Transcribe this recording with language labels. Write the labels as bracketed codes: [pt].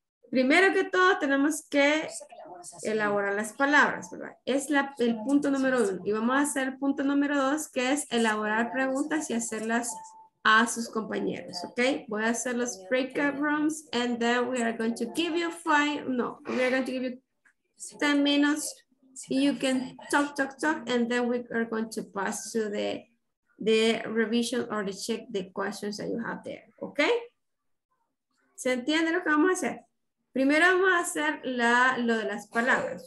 [es] Primero que todo, tenemos que elaborar las palabras, ¿verdad? Es el punto número 1. Y vamos a hacer el punto número 2, que es elaborar preguntas y hacerlas a sus compañeros, ok? Voy a hacer los [en] breakout rooms and then we are going to give you we are going to give you 10 minutes. You can talk and then we are going to pass to the revision or the check the questions that you have there, ok? [es] ¿Se entiende lo que vamos a hacer? Primero vamos a hacer lo de las palabras.